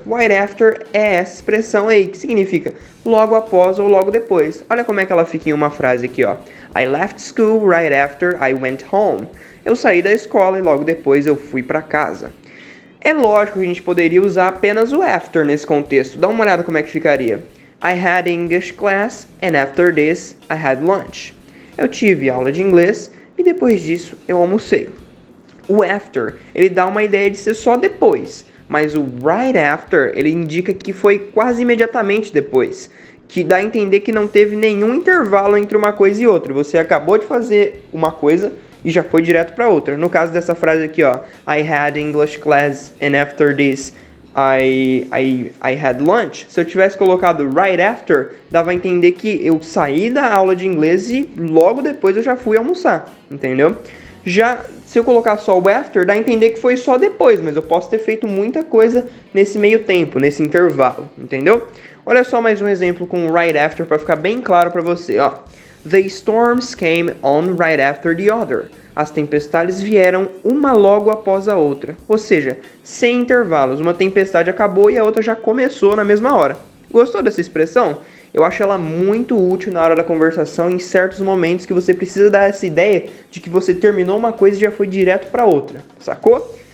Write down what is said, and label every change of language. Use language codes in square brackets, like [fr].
[pt] Right after é essa expressão aí, que significa logo após ou logo depois. Olha como é que ela fica em uma frase aqui, ó. [en] I left school right after I went home. [pt] Eu saí da escola e logo depois eu fui pra casa. É lógico que a gente poderia usar apenas o after nesse contexto. Dá uma olhada como é que ficaria. [en] I had English class and after this I had lunch. [pt] Eu tive aula de inglês e depois disso eu almocei. O after, ele dá uma ideia de ser só depois. Mas o right after, ele indica que foi quase imediatamente depois. Que dá a entender que não teve nenhum intervalo entre uma coisa e outra. Você acabou de fazer uma coisa e já foi direto para outra. No caso dessa frase aqui, ó. [en] I had English class and after this I had lunch. [pt] Se eu tivesse colocado right after, dava a entender que eu saí da aula de inglês e logo depois eu já fui almoçar. Entendeu? Já... Se eu colocar só o after, dá a entender que foi só depois, mas eu posso ter feito muita coisa nesse meio tempo, nesse intervalo, entendeu? Olha só mais um exemplo com right after para ficar bem claro para você, ó. [en] The storms came on right after the other. [pt] As tempestades vieram uma logo após a outra, ou seja, sem intervalos. Uma tempestade acabou e a outra já começou na mesma hora. Gostou dessa expressão? Eu acho ela muito útil na hora da conversação em certos momentos que você precisa dar essa ideia de que você terminou uma coisa e já foi direto para outra, sacou?